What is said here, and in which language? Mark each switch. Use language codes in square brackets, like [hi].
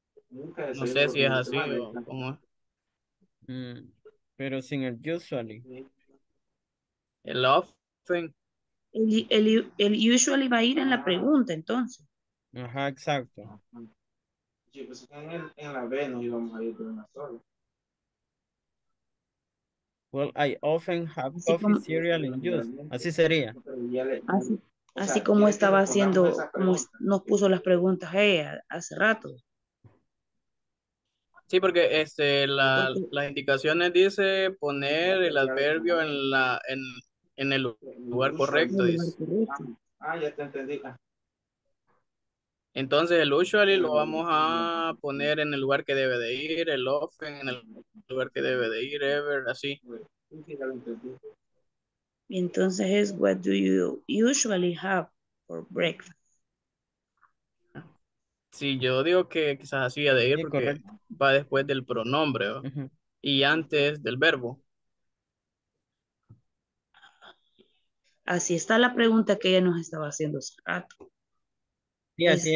[es] No sé si es así o cómo es. Pero sin el usually. El often. El usually va a ir en la pregunta, entonces. Ajá, exacto. Sí, pues en la B no íbamos a ir por una sola. [en] Well, I often have coffee, [es] como, [en] cereal, and juice. [es] Así sería. Así como estaba haciendo, como nos puso las preguntas hace rato. Sí, porque las indicaciones dice poner el adverbio en el lugar correcto. Dice. Ah, ya te entendí. Entonces, el usually lo vamos a poner en el lugar que debe de ir, el often en el lugar que debe de ir, ever, así. Y entonces es, [en] what do you usually have for breakfast? [es] Sí, yo digo que quizás así ha de ir, sí, porque correcto. Va después del pronombre, ¿no? Uh-huh. Y antes del verbo. Así está la pregunta que ella nos estaba haciendo hace rato. Sí, así